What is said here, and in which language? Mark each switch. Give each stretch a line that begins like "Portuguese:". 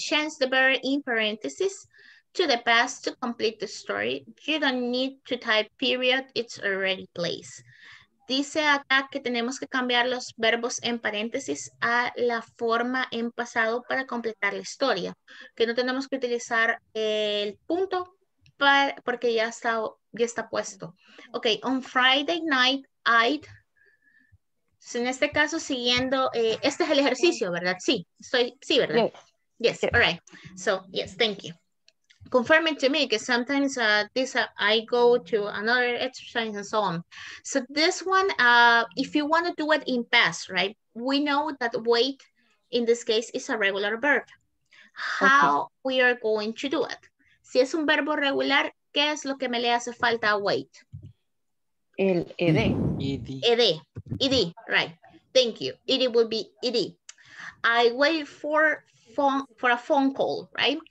English: Change the verb in parentheses to the past to complete the story. You don't need to type period. It's already placed.
Spanish: Dice acá que tenemos que cambiar los verbos en paréntesis a la forma en pasado para completar la historia. Que no tenemos que utilizar el punto para, porque ya está puesto.
English: Ok, on Friday night, I'd...
Spanish: En este caso, siguiendo... este es el ejercicio, ¿verdad? Sí, ¿verdad?
English: Yes, all right. So, yes, thank you. Confirm it to me, because sometimes I go to another exercise and so on. So this one, if you want to do it in past, right? We know that wait, in this case, is a regular verb. How we are going to do it?
Spanish: Si es un verbo regular, ¿qué es lo que me le hace falta a wait? El ed.
English: Ed. Ed, right. Thank you. Ed would be ed. I wait for a phone call, right?